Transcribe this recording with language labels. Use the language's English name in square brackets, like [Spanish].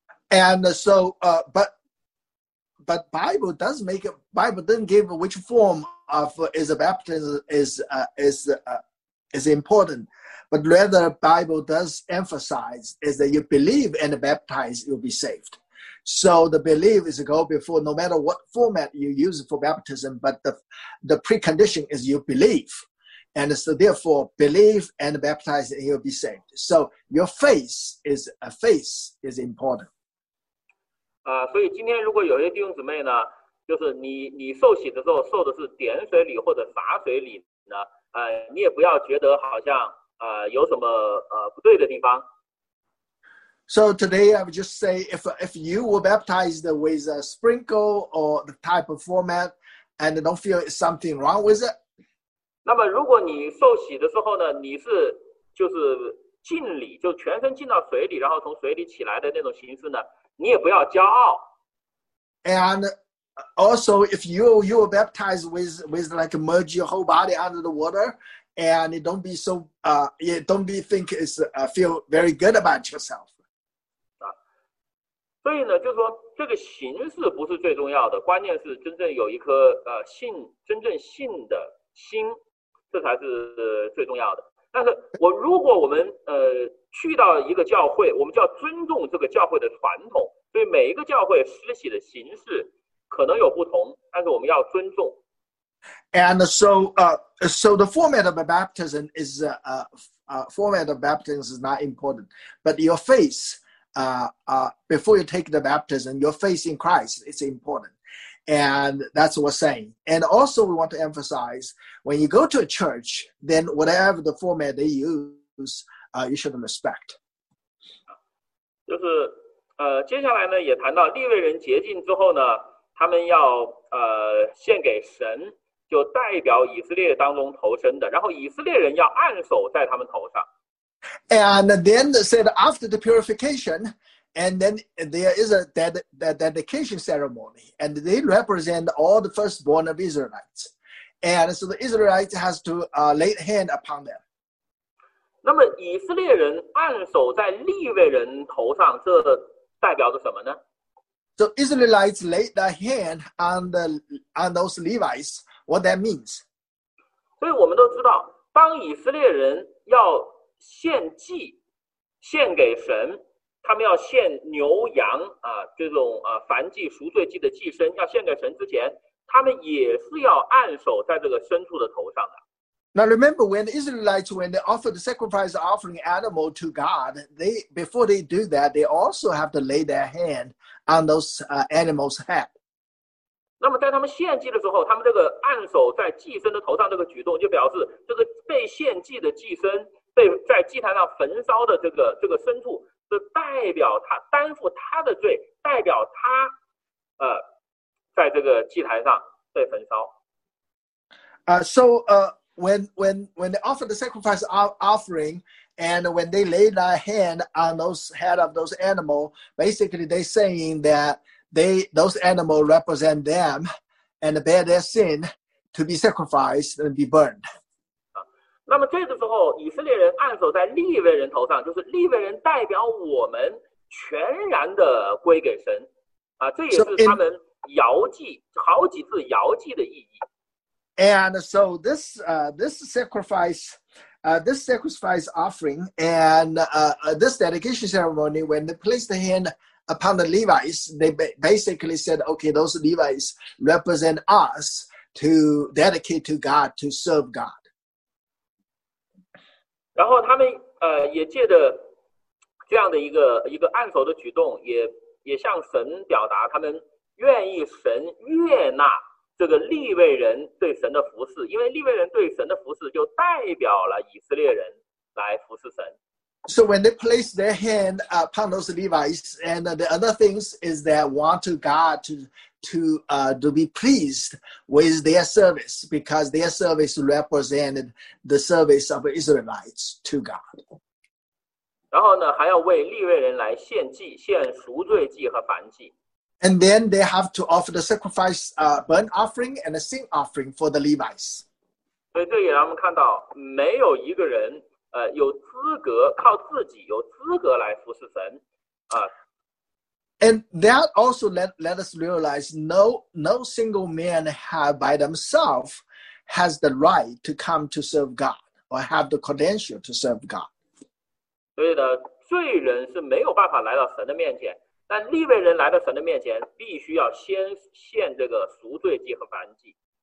[English] And so, but Bible does make, Bible didn't give which form of is a baptism is important, but rather Bible does emphasize is that you believe and baptize, you'll be saved. So the belief is go before no matter what format you use for baptism, but the precondition is you believe. And so therefore, believe and baptize and you'll be saved. So your faith is a faith is important. So today, if you have some brothers, you're baptized, [Chinese] 你也不要觉得好像有什么不对的地方。 [English] So today I would just say if you were baptized with a sprinkle or the type of format and don't feel something wrong with it. [Chinese] 那么如果你受洗的时候呢，你是就是浸礼，就全身浸到水里，然后从水里起来的那种形式呢，你也不要骄傲。 [English] And also, if you are baptized with like merge your whole body under the water, and it don't be so don't be think is feel very good about yourself. [Chinese] 所以呢，就是说这个形式不是最重要的，关键是真正有一颗信，真正信的心，这才是最重要的。但是我如果我们去到一个教会，我们就要尊重这个教会的传统，所以每一个教会施洗的形式。 [English] And so, so the format of a baptism is format of baptism is not important, but your faith, before you take the baptism, your faith in Christ is important, and that's what we're saying. And also, we want to emphasize when you go to a church, then whatever the format they use, you should respect. [Chinese] 接下来呢，也谈到利未人洁净之后呢。他们要献给神，就代表以色列当中投身的，然后以色列人要按手在他们头上。 [English] And then said after the purification, and then there is a dedication ceremony, and they represent all the firstborn of Israelites, and so the Israelites has to lay hand upon them. [Chinese] 那么以色列人按手在利未人头上，这代表着什么呢？ [English] So Israelites laid their hand on those Levites. What that means? [Chinese] 所以我们都知道，当以色列人要献祭，献给神，他们要献牛羊啊，这种啊燔祭、赎罪祭的祭牲，要献给神之前，他们也是要按手在这个牲畜的头上的。 [English] Now remember, when the Israelites, when they offer the sacrifice offering animal to God, they before they do that, they also have to lay their hand on those animals' head. [Chinese] 那么在他们献祭的时候，他们这个按手在祭牲的头上这个举动，就表示这个被献祭的祭牲，被在祭坛上焚烧的这个牲畜，是代表他担负他的罪，代表他在这个祭坛上被焚烧。 [English] So when they offer the sacrifice offering, and when they lay their hand on those head of those animal, basically they're saying that those animal represent them and bear their sin to be sacrificed and be burned. [Chinese] 那么这个时候，以色列人按手在利未人头上，就是利未人代表我们全然的归给神，啊，这也是他们摇祭好几次摇祭的意义。 [English] And so this sacrifice offering and this dedication ceremony, when they placed the hand upon the Levites, they basically said, okay, those Levites represent us to dedicate to God, to serve God. [Chinese] 然后他们也借着这样的一个按手的举动，也向神表达他们愿意神悦纳这个利未人对神的服侍，因为利未人对神的服侍就代表了以色列人来服侍神。 [English] So when they place their hand upon those Levites, and the other things is they want to God to be pleased with their service, because their service represented the service of Israelites to God. [Chinese] 然后呢，还要为利未人来献祭，献赎罪祭和燔祭。 [English] And then they have to offer the sacrifice, burnt offering and a sin offering for the Levites. [Chinese] 所以这也让我们看到，没有一个人有资格靠自己有资格来服侍神， [English] And that also let us realize no single man have by themselves has the right to come to serve God or have the credential to serve God. [Chinese] 所以呢，罪人是没有办法来到神的面前，但利未人来到神的面前，必须要先献这个赎罪祭和燔祭。